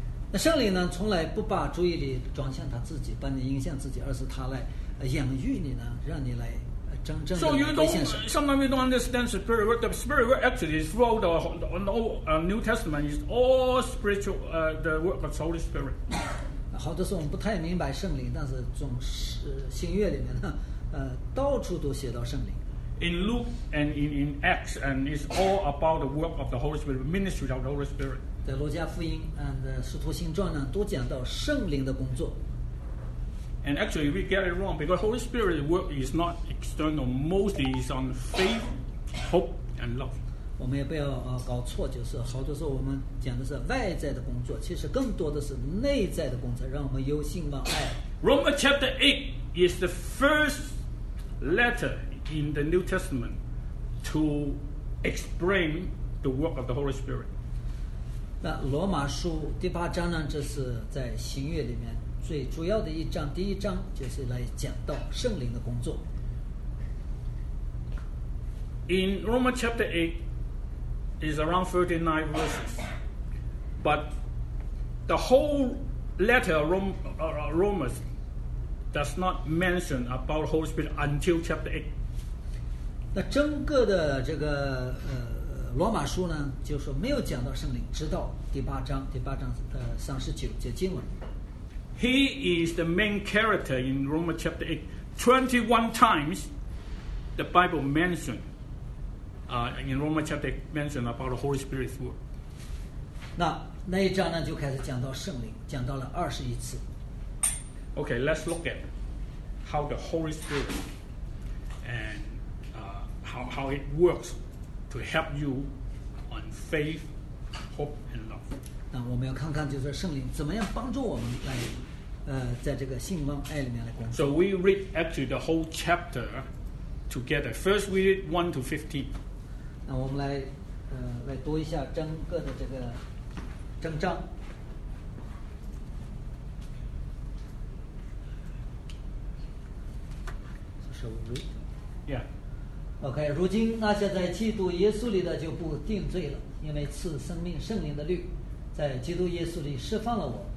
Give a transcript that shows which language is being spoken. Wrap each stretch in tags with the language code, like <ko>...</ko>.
<zh>那圣灵呢，从来不把注意力转向他自己，把你引向自己，而是他来养育你呢，让你来真正的归向神。</zh> <en>So you don't, sometimes you don't understand the spirit work. The spirit work actually is throughout the New Testament is all spiritual, the work of the Holy Spirit.</en> <zh>好多时候我们不太明白圣灵，但是总是新约里面呢，到处都写到圣灵。</zh> <en>In Luke and in Acts, and it's all about the work of the Holy Spirit, ministry of the Holy Spirit.</en> <zh>在路加福音 and 使徒行传呢，都讲到圣灵的工作。</zh> <en>And actually, we get it wrong because Holy Spirit's work is not external. Mostly, it's on faith, hope, and love.</en> <zh>我们也不要搞错，就是好多时候我们讲的是外在的工作，其实更多的是内在的工作，让我们有信望爱。</zh> <en>Romans chapter 8 is the first letter in the New Testament to explain the work of the Holy Spirit.</en> <zh>那罗马书第八章呢？这是在新约里面。最主要的一章，第一章就是来讲到圣灵的工作。</zh> <en>In Romans chapter 8 is around 39 verses, but the whole letter of Romans does not mention about Holy Spirit until chapter 8.</en> <zh>那整个的这个罗马书呢，就是说没有讲到圣灵，直到第八章，第八章39节经文。</zh> <en>He is the main character in Romans chapter 8. 21 times the Bible mentioned, in Romans chapter 8 mentioned about the Holy Spirit's work.</en> <zh>那一章呢就开始讲到圣灵，讲到了21次。</zh> <en>Okay, let's look at how the Holy Spirit and how it works to help you on faith, hope, and love.</en> <zh>那我们要看看就是圣灵怎么样帮助我们来在这个信望爱里面来工作。</zh> <en>So we read actually the whole chapter together. First, we read 1-15.</en> <zh>那我们来来读一下整个的这个整章。</zh> <en>Shall we read? Yeah. Okay.</en> <zh>如今那些在基督耶稣里的就不定罪了，因为赐生命圣灵的律，在基督耶稣里释放了我。</zh>